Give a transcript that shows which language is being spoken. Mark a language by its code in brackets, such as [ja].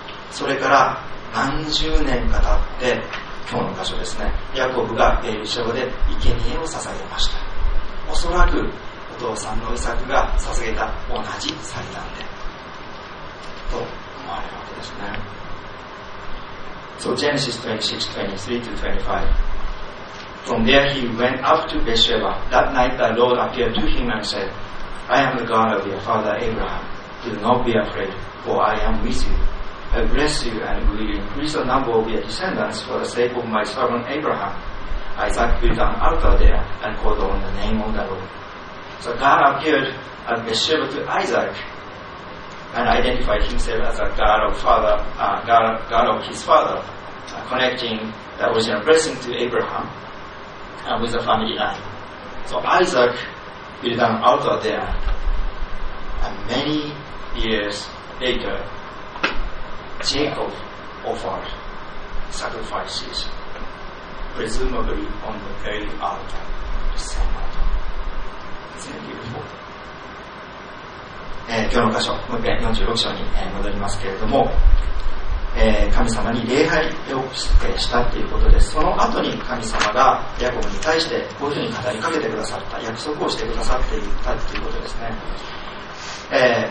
[ja] それから何十年か経って今日の箇所ですね、ヤコブがベエルシェバで生贄を捧げました。おそらくお父さんのイサクが捧げた同じ祭壇でと思われるわけですね。 [en] So Genesis 26, 23 to 25. From there he went up to Beersheba. That night the Lord appeared to him and said, I am the God of your father Abraham. Do do not be afraid, for I am with you. I bless you and will increase the number of your descendants for the sake of my servant Abraham. Isaac built an altar there and called on the name of the Lord. So God appeared at Beersheba to Isaac and identified himself as a God of father, God of his father, connecting the original blessing to Abraham and with the family line. So Isaac built an altar there, and many years later, Jacob offered sacrifices, presumably on the very altar, the same altar. Isn't it beautiful? [ja] 今日の箇所、もう一回46章に戻りますけれども、神様に礼拝をしたということです。その後に神様がヤコブに対してこういうふうに語りかけてくださった、約束をしてくださっていたということですね。